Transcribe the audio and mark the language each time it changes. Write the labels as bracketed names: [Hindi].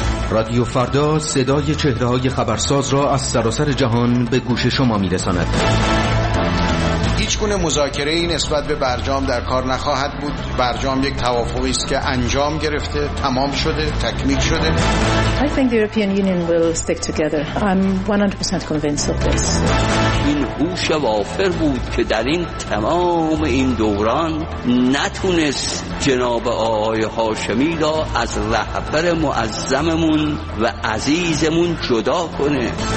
[Persian] رادیو فردا صدای چهره‌های خبرساز را از سراسر جهان به گوش شما می‌رساند. هیچ گونه مذاکره ای نسبت به برجام در کار نخواهد بود. برجام یک توافقی است که انجام گرفته، تمام شده، تکمیل شده. [English] I think the European Union will stick together. I'm 100% convinced of this. [Persian] این هوش وافر بود که در این تمام این دوران نتونست جناب آقای هاشمی را از رهبر معظممون و عزیزمون جدا کنه.